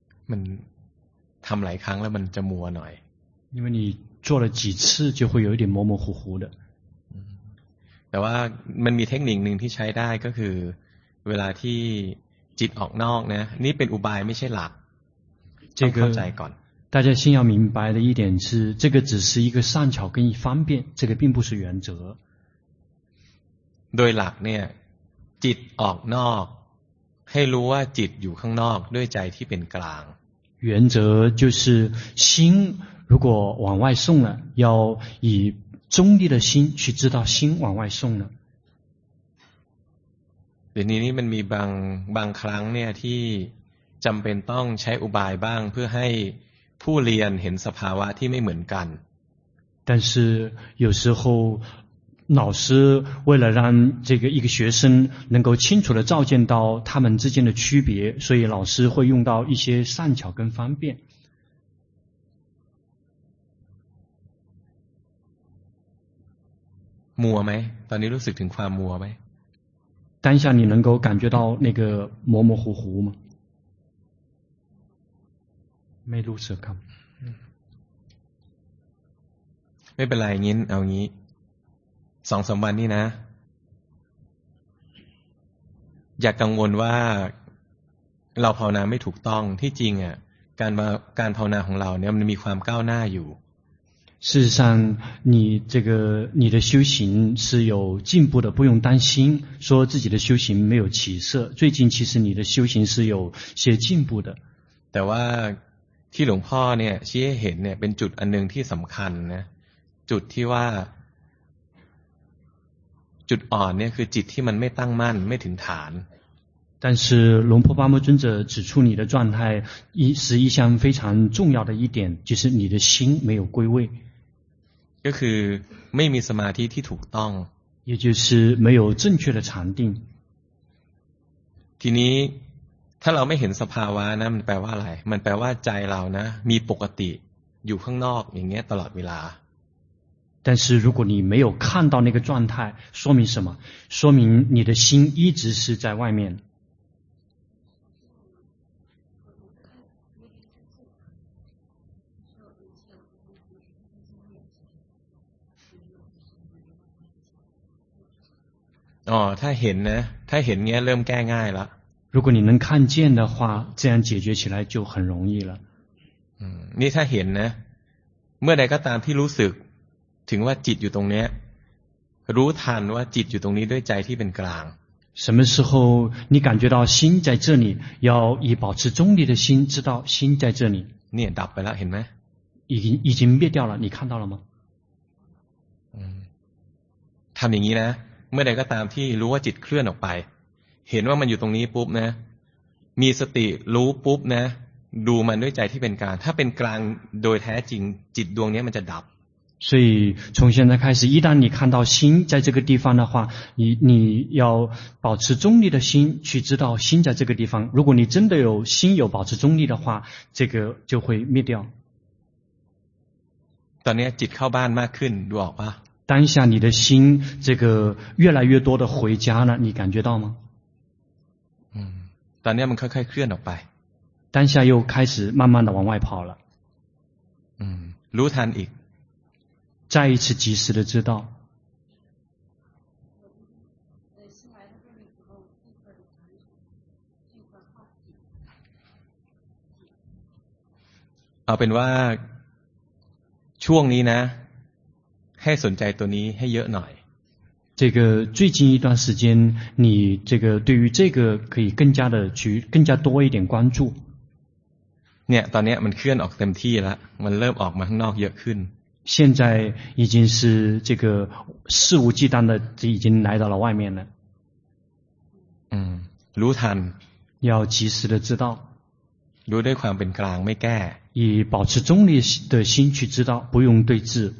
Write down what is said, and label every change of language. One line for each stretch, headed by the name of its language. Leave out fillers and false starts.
Thai: มันทำหลายครั้งแล้วมันจะมัวหน่อย
Chinese: 因为你做了几次就会有一点模模糊糊的
Thai: แต่ว่ามันมีเทคนิคนึงที่ใช้ได้ก็คือเวลาที่จิตออกนอกนะนี่เป็นอุบายไม่ใช่หลักต้องเข้าใจก่อน
Chinese: 大家先要明白的一点是这个只是一个善巧跟方便这个并不是原则
Thai: โดยหลักเนี่ยจิตออกนอกให้รู้ว่าจิตอยู่ข้างนอกด้วยใจที่เป็นกลาง
Chinese: 原则就是心如果往外送了要以中立的心去知道心往外送了
Thai: นี่มันมีบางครั้งเนี่ยที่จำเป็นต้องใช้อุบายบ้างเพื่อให้ผู้เรียนเห็นสภาวะที่ไม่เหมือนกัน
Chinese: 但是有时候老师为了让这个一个学生能够清楚地照见到他们之间的区别，所以老师会用到一些善巧跟方便。磨没？
Thai: ตอนนี้รู้สึกถึงความมัวไหม？
Chinese: 当下你能够感觉到那个模模糊糊吗？
Thai: ไม่รู้สึกครับ。 ไม่เป็นไรงี้เอางี้สองสามวันนี้นะอย่า กังวลว่าเราภาวนาไม่ถูกต้องที่จริงอ่ะการภาวนาของเราเนี่ยมันมีความก้าวหน้าอยู่
Chinese: 事实上你这个你的修行是有进步的不用担心说自己的修行没有起色最近其实你的修行是有些进步的
Thai: แต่ว่าที่หลวงพ่อเนี่ยชี้ให้เห็นเนี่ยเป็นจุดอันนึงที่สำคัญนะ จุดที่ว่าจุดอ่อนเนี่ยคือจิตที่มันไม่ตั้งมั่นไม่ถึงฐาน
Chinese: 但是龙婆巴木尊者指出你的状态是一项非常重要的一点就是你的心没有归位
Thai: ก็คือไม่มีสมาธิที่ถูกต้อง
Chinese: 也就是没有正确的禅定
Thai: ทีนี้ถ้าเราไม่เห็นสภาวะนะมันแปลว่าอะไรมันแปลว่าใจเรานะมีปกติอยู่ข้างนอกอย่างเงี้ยตลอดเวลา
Chinese: 但是如果你没有看到那个状态说明什么说明你的心一直是在外面
Thai: 哦ถ้าเห็นนะถ้าเห็นเงี้ยเริ่มแก้ง่ายละ
Chinese: 如果你能看见的话这样解决起来就很容易了
Thai: นี่ถ้าเห็นนะเมื่อใดก็ตามที่รู้สึกถึงว่าจิตอยู่ตรงเนี้ยรู้ทันว่าจิตอยู่ตรงนี้ด้วยใจที่เป็นกลาง
Chinese: 什么时候你感觉到心在这里要以保持中立的心知道心在这里
Thai: เนี่ยดับไปแล้วเห็นมั้ย
Chinese: 已经灭掉了你看到了吗
Thai: ทำอย่างนี้นะเมื่อใดก็ตามที่รู้ว่าจิตเคลื่อนออกไปเห็นว่ามันอยู่ตรงนี้ปุ๊บนะมีสติรู้ปุ๊บนะดูมันด้วยใจที่เป็นกลางถ้าเป็นกลางโดยแท้จริงจิตดวงนี้มันจะดับ
Chinese: 所以从现在开始一旦你看到心在这个地方的话 你要保持中立的心去知道心在这个地方如果你真的有心有保持中立的话这个就会灭掉
Thai: ตอนนี้จิตเข้าบ้านมากขึ้นดูออกป่ะ
Chinese: 当下你的心这个越来越多的回家了你感觉到吗
Thai: ตอนนี้มันค่อยๆเคลื่อนออกไป
Chinese: 当下又开始慢慢的往外跑了
Thai: รู้ทันอีก
Chinese: 再一次及时的知道
Thai: เอาเป็นว่าช่วงนี้นะให้สนใจตัวนี้ให้เยอะหน่อย
Chinese: 这个最近一段时间你这个对于这个可以更加的去更加多一点关注
Thai: เนี่ยตอนนี้มันเคลื่อนออกเต็มที่แล้วมันเริ่มออกมาข้างนอกเยอะขึ้น
Chinese: 现在已经是这个肆无忌惮的已经来到了外面了
Thai: รู้ทัน
Chinese: 要及时的知道
Thai: รู้ด้วยความเป็นกลางไม่แก้
Chinese: 以保持中立的心去知道不用对峙